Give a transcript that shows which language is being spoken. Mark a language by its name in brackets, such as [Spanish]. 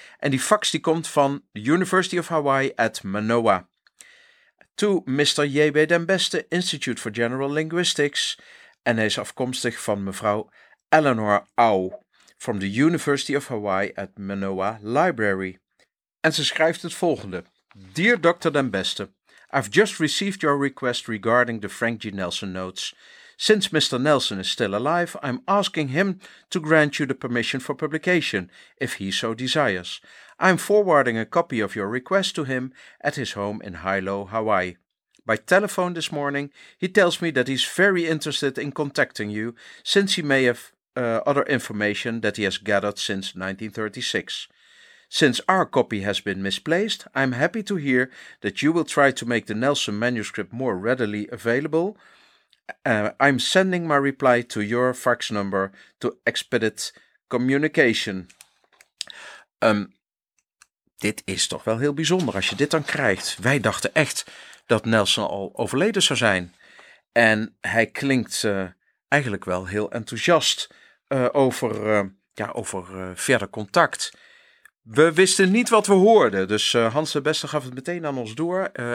[Dutch] En die fax die komt van de University of Hawaii at Manoa. [English] To Mr. J.B. [Dutch] Den Beste, Institute for General Linguistics. En hij is afkomstig van mevrouw Eleanor Au from the University of Hawaii at Manoa Library. En ze schrijft het volgende. [English] Dear Dr. Den Beste, I've just received your request regarding the Frank G. Nelson notes. Since Mr. Nelson is still alive, I'm asking him to grant you the permission for publication, if he so desires. I'm forwarding a copy of your request to him at his home in Hilo, Hawaii. By telephone this morning, he tells me that he's very interested in contacting you, since he may have other information that he has gathered since 1936. Since our copy has been misplaced, I'm happy to hear that you will try to make the Nelson manuscript more readily available. I'm sending my reply to your fax number to expedite communication. [Dutch] Dit is toch wel heel bijzonder als je dit dan krijgt. Wij dachten echt dat Nelson al overleden zou zijn. En hij klinkt eigenlijk wel heel enthousiast over verder contact. We wisten niet wat we hoorden, dus Hans de Beste gaf het meteen aan ons door.